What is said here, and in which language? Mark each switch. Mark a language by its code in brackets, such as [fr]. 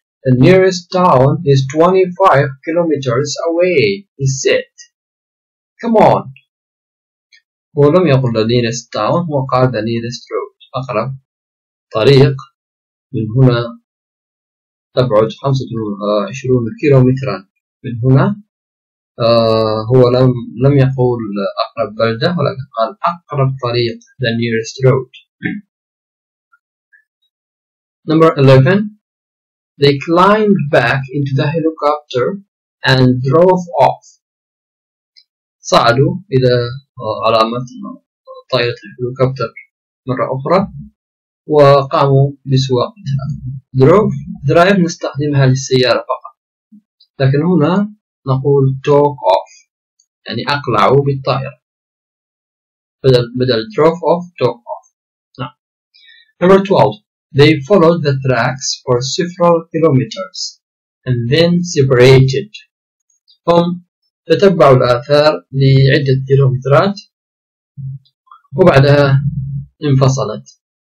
[en] The nearest town is 25 kilometers away, he said. Come on. [ar] هو لم يقل [en] the nearest town، [ar] هو قال [en] the nearest road، [ar] أقرب طريق من هنا تبعد 25 كيلومترا من هنا. هو لم يقول أقرب بلدة، ولكن قال أقرب طريق، [en] the nearest road. Number 11. They climbed back into the helicopter and drove off. [ar] صعدوا إلى علامة طائرة الهليكوبتر مرة أخرى وقاموا بسواقتها. Drive نستخدمها للسيارة فقط، لكن هنا نقول [en] took off، [ar] يعني أقلعوا بالطائرة، بدل [en] drove off took off. Number 12. They followed the tracks for several kilometers and then separated. [ar] هم تتبعوا الآثار لعدة كيلومترات وبعدها انفصلت.